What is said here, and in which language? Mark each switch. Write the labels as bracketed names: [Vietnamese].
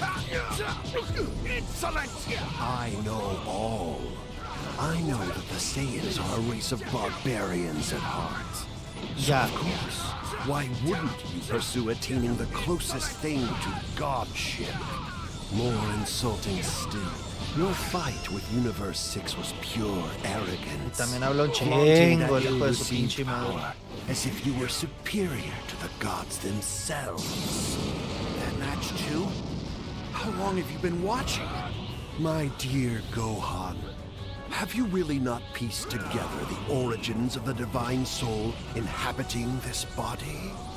[English] I know all. I know that the Saiyans are a race of barbarians at heart. Yeah. Of course. Why wouldn't you pursue attaining the closest thing to godship? More insulting still, your fight with Universe 6 was pure arrogance. [Spanish] También habló un chingo, el hijo de su pinche madre. [English] As if you were superior to the gods themselves. That match too? How long have you been watching? My dear Gohan, have you really not pieced together the origins of the divine soul inhabiting this body?